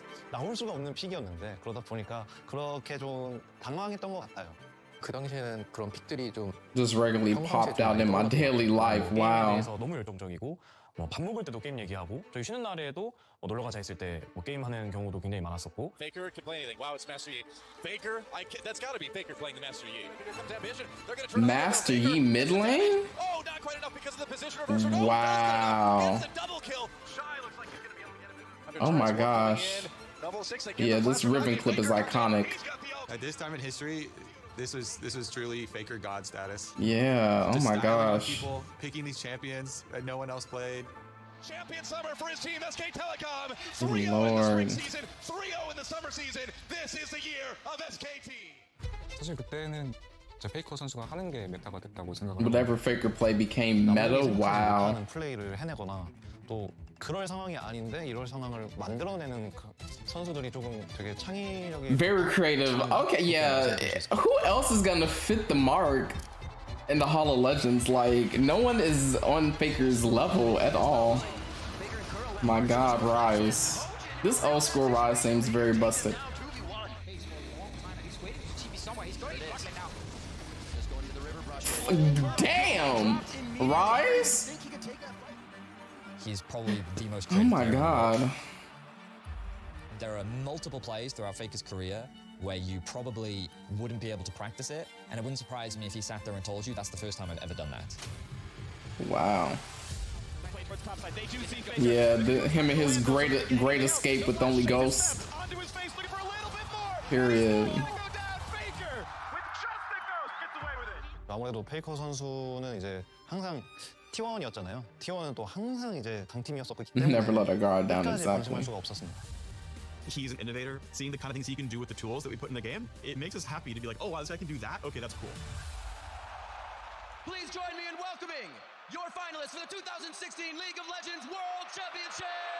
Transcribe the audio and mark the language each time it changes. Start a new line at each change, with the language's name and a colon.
Korean: 나올 수가 없는 픽이었는데 그러다 보니까 그렇게 좀 당황했던 것 같아요. 그 당시에는 그런 픽들이 좀
English: just regularly popped out in my daily life. Wow.
Korean: 게임에서 너무 열정적이고 뭐 밥 먹을 때도 게임 얘기하고 저희 쉬는 날에도 뭐 놀러 가자 했을 때 뭐 게임 하는 경우도 굉장히 많았었고.
English: Faker can play anything. Wow, it's Master Yi. Faker, I can, that's gotta be Faker playing the Master Yi. Master Yi mid lane? Oh, not quite enough because of the position reversal. Wow. Oh my gosh. Yeah, this ribbon clip is iconic. At this time in history, this was truly Faker God status. Yeah, oh my gosh. People picking these champions that no one else played. Champion summer for his team, SK Telecom. 3-0 in the spring season, 3-0 in the summer season. This is the year of SKT.
Korean: 사실 그때는 저 페이커 선수가 하는 게 메타가 됐다고 생각.
English: Whatever Faker play became meta. Wow.
Korean: 하는 플레이를 해내거나 또 그럴 상황이 아닌데 이럴 상황을 만들어내는 그 선수들이 조금 되게 창의적인
English: Very creative. Okay, yeah. Who else is gonna fit the mark in the Hall of Legends? Like, no one is on Faker's level at all. My God, Ryze. This old school Ryze seems very busted. Damn! Ryze? He's probably the most creative. Oh my god. There are multiple plays throughout Faker's career where you probably wouldn't be able to practice it, and it wouldn't surprise me if he sat there and told you that's the first time I've ever done that. Wow. Yeah, him and his great escape with only ghosts. Period.
Korean: 아무래도 페이커 선수는 이제 항상 T1이었잖아요. T1은 또 항상 이제 강팀이었었기 때문에
English: Never let a guard down exactly.
Korean: 관심할 수가 없었습니다.
English: He's an innovator. Seeing the kind of things he can do with the tools that we put in the game, it makes us happy to be like, oh, wow, this guy can do that? Okay, that's cool. Please join me in welcoming your finalists for the 2016 League of Legends World Championship!